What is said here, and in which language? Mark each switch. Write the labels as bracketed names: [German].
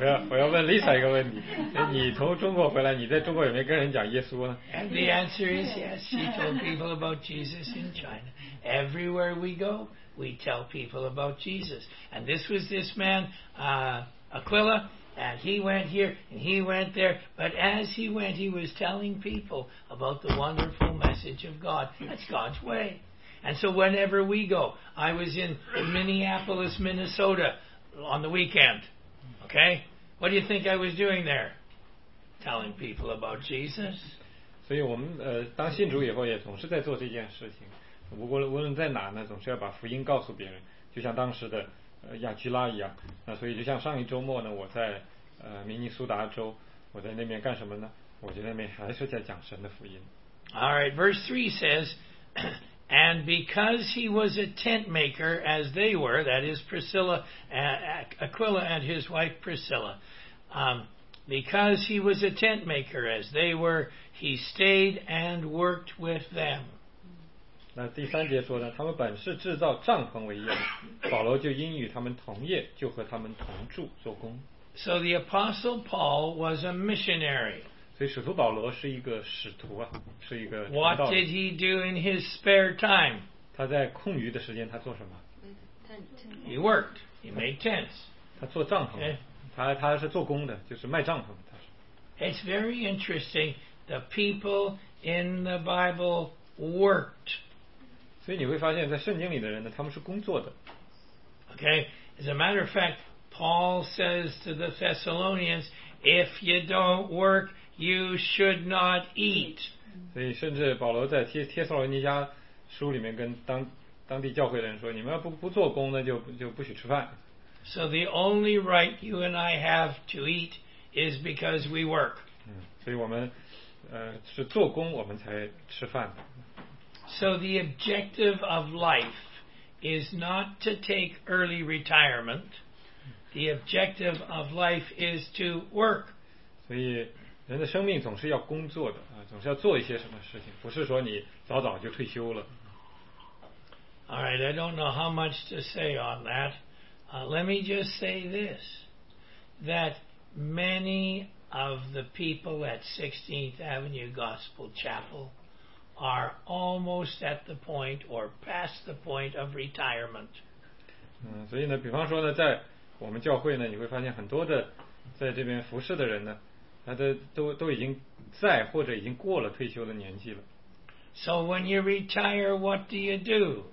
[Chinese] 我要问 Lisa 一个问题，你从中国回来，你在中国有没有跟人讲耶稣呢？ [English] And the answer is yes. She told people about Jesus in China. Everywhere we go, we tell people about Jesus. And this was this man, Aquila, and he went here and he went there. But as he went, he was telling people about the wonderful message of God. That's God's way. And so whenever we go, I was in Minneapolis, Minnesota on the weekend. Okay? What do you think I was doing there? Telling people about Jesus. [Chinese] 所以我们当信主以后也总是在做这件事情。不过无论在哪呢，总是要把福音告诉别人，就像当时的亚居拉一样。那所以就像上一周末呢，我在明尼苏达州，我在那边干什么呢？我在那边还是在讲神的福音。 [English] All right, verse 3 says, and because he was a tent maker as they were, that is Priscilla, Aquila and his wife Priscilla, because he was a tent maker as they were, he stayed and worked with them. [Chinese] 那第三节说呢，他们本是制造帐篷为业，保罗就因与他们同业，就和他们同住做工。 [English] So the apostle Paul was a missionary. [Chinese] 所以使徒保罗是一个使徒啊，是一个传道。 [English] What did he do in his spare time? [Chinese] 他在空余的时间他做什么 [English] ？He worked. He made tents. [Chinese] 他做帐篷。他是做工的，就是卖帐篷。 [English] It's very interesting. The people in the Bible worked. [Chinese] 所以你会发现在圣经里的人呢，他们是工作的。 [English] Okay, as a matter of fact, Paul says to the Thessalonians, if you don't work, you should not eat. [Chinese] 所以甚至保罗在帖撒罗尼迦书里面跟当地教会的人说，你们要不做工呢，就不许吃饭。 [English] So the only right you and I have to eat is because we work. [Chinese] 所以我们是做工我们才吃饭。 [English] So the objective of life is not to take early retirement. The objective of life is to work. [Chinese] 所以人的生命总是要工作的，总是要做一些什么事情，不是说你早早就退休了。 [English] All right, I don't know how much to say on that. Let me just say this, that many of the people at 16th Avenue Gospel Chapel are almost at the point or past the point of retirement. [Chinese] 所以呢，比方说呢，在我们教会呢，你会发现很多的在这边服侍的人呢，他的都已经在或者已经过了退休的年纪了。 [English] So when you retire, what do you do?